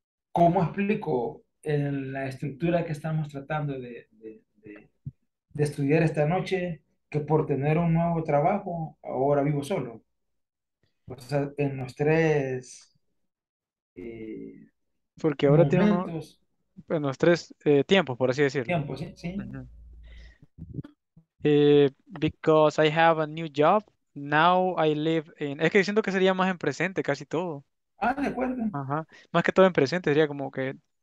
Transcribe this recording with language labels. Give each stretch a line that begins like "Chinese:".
Spanish: ¿Cómo explico en la estructura que estamos tratando de estudiar esta noche que por tener un nuevo trabajo, ahora vivo solo? O sea, en los tres porque ahora momentos, tengo en los tres tiempos, por así decirlo. Tiempos, sí. Uh-huh.
English: Because I have a new job, now I live in...
Spanish: Es que siento que sería más en presente casi todo. Ah, de acuerdo. Ajá. Más que todo en presente, sería como que...